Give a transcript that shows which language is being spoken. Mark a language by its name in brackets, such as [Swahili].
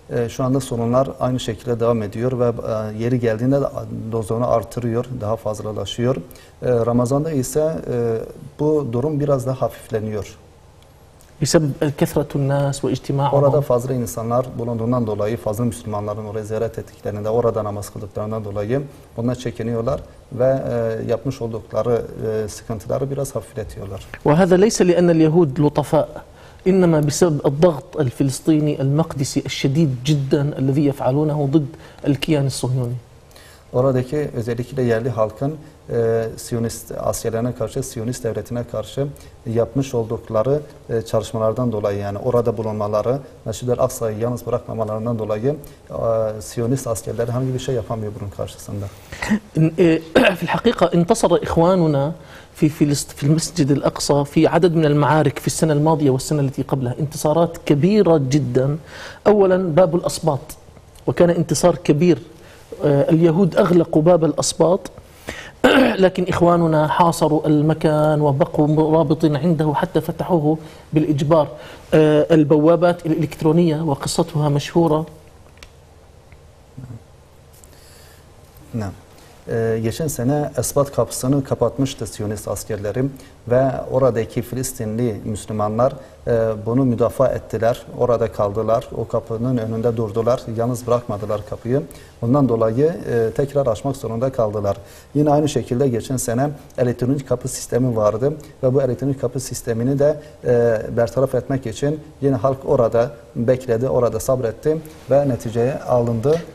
[Turkish] Şu anda sorunlar aynı şekilde devam ediyor ve yeri geldiğinde dozunu artırıyor, daha fazlalaşıyor. Ramazan'da ise bu durum biraz daha hafifleniyor. [Arabic] بسبب كثرة الناس واجتماعهم. [Turkish] Orada fazla insanlar bulunduğundan dolayı, fazla Müslümanların orayı ziyaret ettiklerinde, orada namaz kıldıklarından dolayı bunlar çekiniyorlar ve yapmış oldukları sıkıntıları biraz hafifletiyorlar. [Arabic] وهذا ليس لأن اليهود لطفاء إنما بسبب الضغط الفلسطيني المقدسي الشديد جدا الذي يفعلونه ضد الكيان الصهيوني. [Turkish] Oradaki özellikle yerli halkın Siyonist askerlerine karşı, Siyonist devletine karşı yapmış oldukları çalışmalardan dolayı yani orada bulunmaları, Mescid-i Aksa'yı yalnız bırakmamalarından dolayı Siyonist askerleri herhangi bir şey yapamıyor bunun karşısında. [Arabic] في الحقيقة انتصر إخواننا في فلسطين في المسجد الأقصى في عدد من المعارك في السنة الماضية والسنة التي قبلها انتصارات كبيرة جدا. أولا باب الأسباط وكان انتصار كبير، اليهود أغلقوا باب الأسباط لكن إخواننا حاصروا المكان وبقوا مرابطين عنده حتى فتحوه بالإجبار. البوابات الإلكترونية وقصتها مشهورة. نعم. [Turkish] Geçen sene Esbat kapısını kapatmıştı Siyonist askerleri ve oradaki Filistinli Müslümanlar bunu müdafaa ettiler. Orada kaldılar, o kapının önünde durdular, yalnız bırakmadılar kapıyı. Bundan dolayı tekrar açmak zorunda kaldılar. Yine aynı şekilde geçen sene elektronik kapı sistemi vardı ve bu elektronik kapı sistemini de bertaraf etmek için yine halk orada bekledi, orada sabretti ve neticeye alındı.